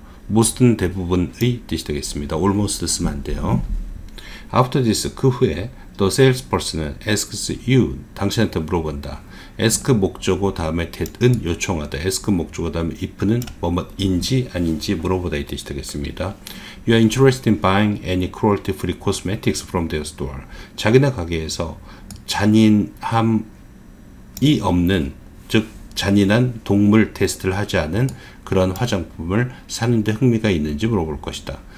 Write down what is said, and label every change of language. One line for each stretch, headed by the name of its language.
Korean: most는 대부분의 뜻이 되겠습니다. almost 쓰면 안 돼요.
English: after this,
Korean: 그 후에
English: the salesperson은 asks you,
Korean: 당신한테 물어본다. ask 목적어 다음에 that은 요청하다. ask 목적어 다음에 if는 뭐뭐인지 아닌지 물어보다, 이 뜻이 되겠습니다.
English: you are interested in buying any cruelty free cosmetics from their store.
Korean: 자기네 가게에서 잔인함이 없는, 즉 잔인한 동물 테스트를 하지 않은 그런 화장품을 사는데 흥미가 있는지 물어볼 것이다.